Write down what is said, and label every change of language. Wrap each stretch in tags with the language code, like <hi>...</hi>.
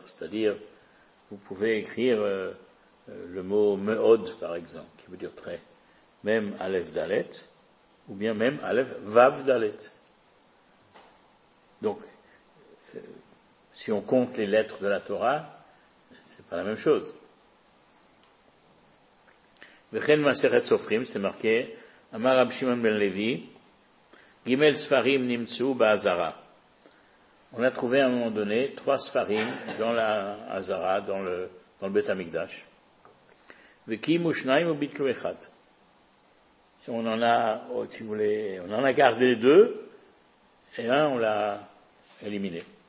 <fr>C'est-à-dire, vous pouvez écrire le mot me'od, par exemple, qui veut dire très, même alef dalet, ou bien même alef vav dalet. Donc, si on compte les lettres de la Torah, c'est pas la même chose.</fr> <he>וכן מסכת סופרים, זה מרקה, אמר רב שמעון בן לוי, גימל ספרים נמצאו בעזרה.</he> <fr>On a trouvé à un moment donné trois ספרים dans la Azara, dans le Beth Amikdash.</fr> <he>וקימו שניים וביטלו אחד.</he> <fr>On en a, si vous voulez, on en a gardé deux, et un, on l'a éliminé.</fr>